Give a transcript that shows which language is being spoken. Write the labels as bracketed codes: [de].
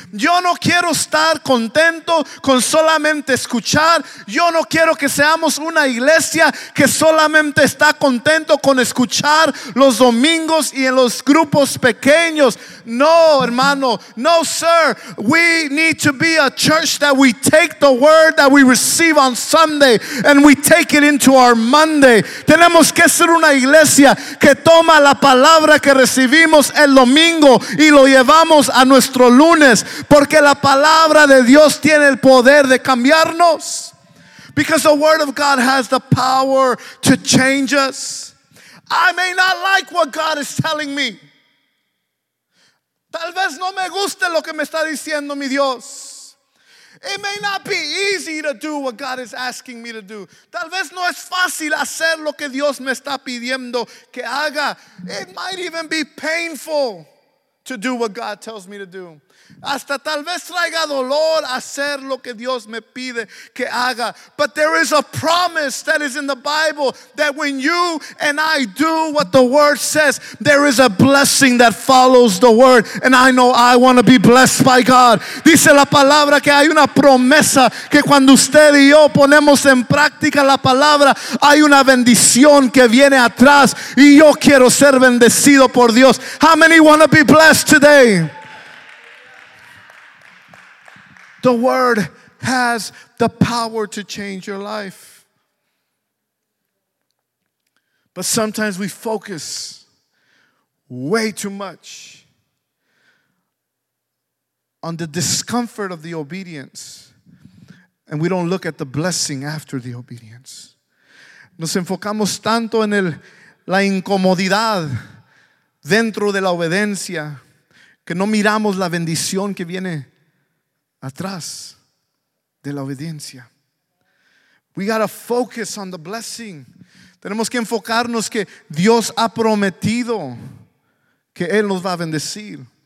[es] Yo no quiero estar contento con solamente escuchar. Yo no quiero que seamos una iglesia que solamente está contento con escuchar los domingos y en los grupos pequeños. No, hermano. [en] No, sir. We need to be a church that we take the word that we receive on Sunday and we take it into our Monday. [es] Tenemos que ser una iglesia que toma la palabra que recibimos el domingo y lo llevamos a nuestro lunes, porque la palabra de Dios tiene el poder de cambiarnos. [en] Because the word of God has the power to change us. I may not like what God is telling me. [es] Tal vez no me guste lo que me está diciendo mi Dios. [en] It may not be easy to do what God is asking me to do. [es] Tal vez no es fácil hacer lo que Dios me está pidiendo que haga. [en] It might even be painful to do what God tells me to do. [es] Hasta tal vez traiga dolor hacer lo que Dios me pide que haga. [en] But there is a promise that is in the Bible that when you and I do what the word says, there is a blessing that follows the word. And I know I want to be blessed by God. [es] Dice la palabra que hay una promesa que cuando usted y yo ponemos en práctica la palabra, hay una bendición que viene atrás. Y yo quiero ser bendecido por Dios. [en] How many want to be blessed today? The word has the power to change your life. But sometimes we focus way too much on the discomfort of the obedience, and we don't look at the blessing after the obedience. [es] Nos enfocamos tanto en la incomodidad dentro de la obediencia que no miramos la bendición que viene atrás de la obediencia. [en] We gotta focus on the blessing. [es] Tenemos que enfocarnos que Dios ha prometido que Él nos va a bendecir.